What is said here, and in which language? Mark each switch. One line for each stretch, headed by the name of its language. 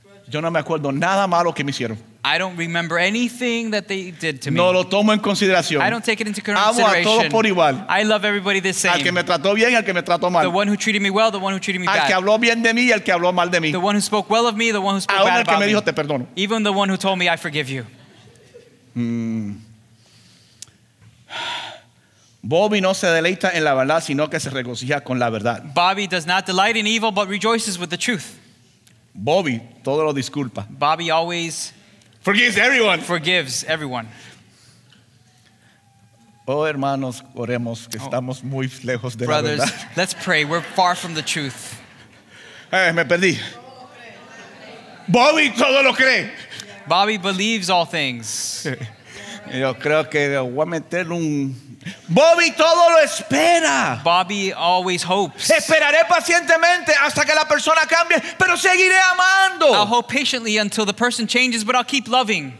Spanish: Yo no me acuerdo nada malo que me hicieron.
English: I don't remember anything that they did to me.
Spanish: No lo tomo en consideración.
English: I don't take it into consideration.
Spanish: Amo a todos por igual.
English: I love everybody the same.
Spanish: Al que me trató bien, al que me trató mal.
English: The one who treated me well, the one who treated me
Spanish: al
English: bad.
Spanish: Al que habló bien de mí y al que habló mal de mí.
English: The one who spoke well of me, the one who spoke
Spanish: aún
English: bad about me.
Spanish: Al que me dijo te perdono.
English: Even the one who told me I forgive you.
Spanish: Bobby no se deleita en la verdad, sino que se regocija con la verdad.
English: Bobby does not delight in evil, but rejoices with the truth.
Spanish: Bobby todo lo disculpa.
English: Bobby always forgives everyone. Forgives everyone.
Spanish: Oh, hermanos, oremos que estamos muy lejos de
English: brothers,
Spanish: la verdad.
English: Let's pray. We're far from the truth.
Spanish: Hey, me perdí. Bobby todo lo cree.
English: Bobby believes all things.
Spanish: Yo creo que voy a meter un Bobby todo lo espera.
English: Bobby always hopes.
Spanish: Esperaré pacientemente hasta que la persona cambie, pero seguiré amando.
English: I'll hope patiently until the person changes, but I'll keep loving.